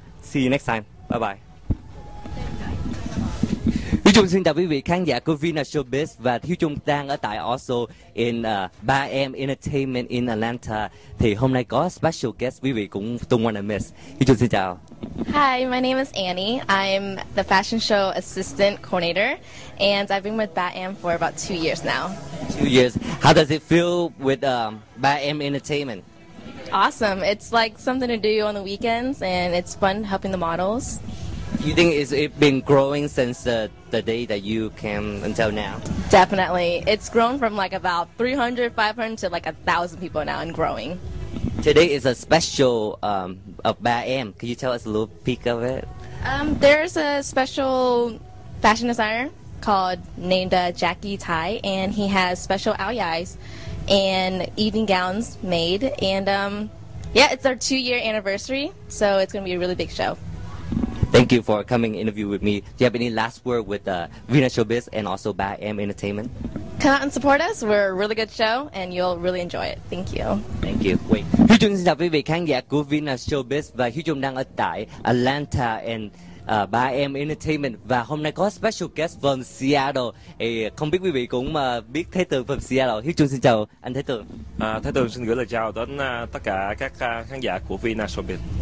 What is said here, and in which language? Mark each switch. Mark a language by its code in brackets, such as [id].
[en] See you next time, bye bye. [vi] Hiếu Trung xin chào quý vị khán giả của Vina Showbiz. Và Hiếu Trung đang ở tại [en] also in [vi] 3M Entertainment in Atlanta. Thì hôm nay có [en] special guest [vi] quý vị cũng [en] don't wanna miss. [vi] Hiếu Trung xin chào. [en] Hi, my name is Annie. I'm the fashion show assistant coordinator and I've been with 3M for about 2 years now. 2 years. How does it feel with 3M Entertainment? Awesome. It's like something to do on the weekends and it's fun helping the models. You think it's been growing since the day that you came until now? Definitely. It's grown from like about 300, 500 to like 1,000 people now and growing. Today is a special of 3M. Can you tell us a little peek of it? There's a special fashion designer called named Jackie Tai, and he has special Ao Yais and evening gowns made. And yeah, it's our 2 year anniversary, so it's going to be a really big show. Thank you for coming interview with me. Do you have any last word with Vina Showbiz and also 3M Entertainment? Come out and support us. We're a really good show and you'll really enjoy it. Thank you. Thank you. Wait. [vi] Hiếu Trung xin chào quý vị khán giả của Vina Showbiz và Hiếu Trung đang ở tại Atlanta and 3M Entertainment. Và hôm nay có [en] special guest from Seattle. [vi] Không biết quý vị cũng biết Thế Tường [en] from Seattle. [vi] Hiếu Trung xin chào anh Thế Tường. Thế Tường xin gửi lời chào đến tất cả các khán giả của Vina Showbiz.